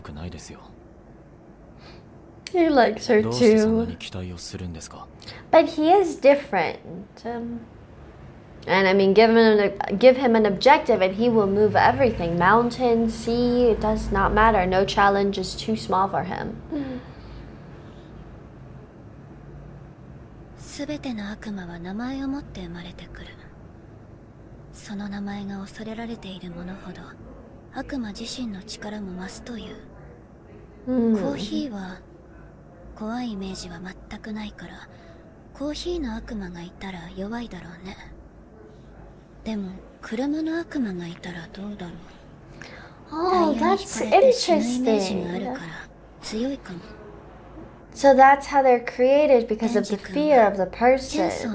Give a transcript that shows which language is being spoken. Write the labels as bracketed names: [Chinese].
[Japanese] デンジは不快なだけで面白くないですよ。 [English] He likes her too. [Japanese] どうしてそんなに期待をするんですか? [English] But he is different. And I mean, give him an objective and he will move everything. Mountain, sea, it does not matter. No challenge is too small for him. [Japanese] 全ての悪魔は名前を持って生まれてくる。その名前が恐れられているものほど 悪魔自身の力も増すという。コーヒーは怖いイメージは全くないから、コーヒーの悪魔がいたら弱いだろうね。でも車の悪魔がいたらどうだろう。タイヤに引かれた死ぬイメージがあるから強いかも。 [English] So that's how they're created because of the fear of the person.